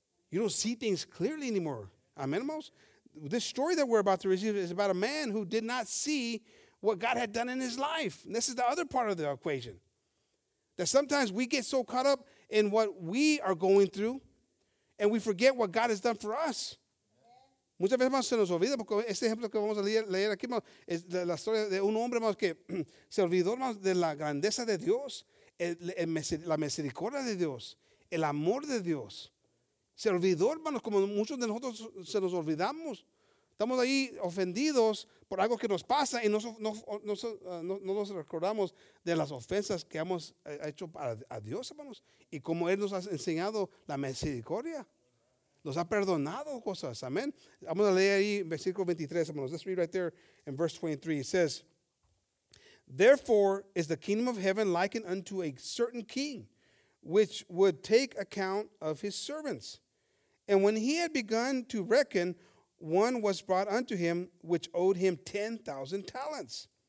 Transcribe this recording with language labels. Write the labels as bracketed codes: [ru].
[en] You don't see things clearly anymore. Amen, hermanos? This story that we're about to receive is about a man who did not see what God had done in his life. And this is the other part of the equation. That sometimes we get so caught up in what we are going through, and we forget what God has done for us. [es] Muchas veces más se nos olvida, porque este ejemplo que vamos a leer aquí es la historia de un hombre más que se olvidó más de la grandeza de Dios, la misericordia de Dios, el amor de Dios. Se olvidó, hermanos, como muchos de nosotros se nos olvidamos. Estamos ahí ofendidos por algo que nos pasa y no nos recordamos de las ofensas que hemos hecho a Dios, hermanos. Y como Él nos ha enseñado la misericordia. Nos ha perdonado cosas. Amén. Vamos a leer ahí en versículo 23, hermanos. [en] Let's read right there in verse 23. It says, therefore is the kingdom of heaven likened unto a certain king, which would take account of his servants. And when he had begun to reckon, one was brought unto him, which owed him 10,000 talents.